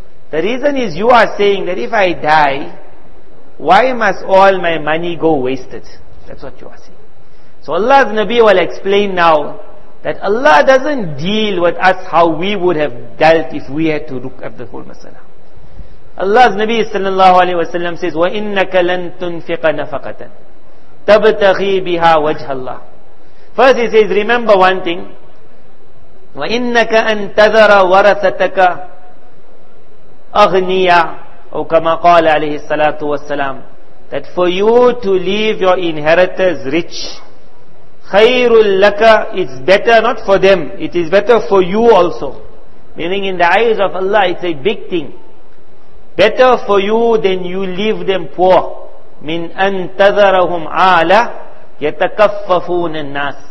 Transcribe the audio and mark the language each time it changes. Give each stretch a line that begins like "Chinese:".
English: The reason is you are saying that if I die, why must all my money go wasted? That's what you are saying. So Allah's Nabi will explain now that Allah doesn't deal with us how we would have dealt if we had to look at the whole masala. Allah's Nabi sallallahu alayhi wa sallam says,
Arabic: وَإِنَّكَ لَن تُنْفِقَ نَفَقَةً تَبْتَغِي بِهَا وَجْهَ اللَّهِ.
English: First he says, remember one thing.
Arabic: وَإِنَّكَ أَن تَذَرَ وَرَثَتَكَ أَغْنِيَا. أو كما قال عليه الصلاة والسلام
English: that for you to leave your inheritors rich
Arabic: خير لك,
English: it's better not for them, it is better for you also, meaning in the eyes of Allah it's a big thing, better for you than you leave them poor
Arabic: من أن تذرهم عالى يتكففون الناس.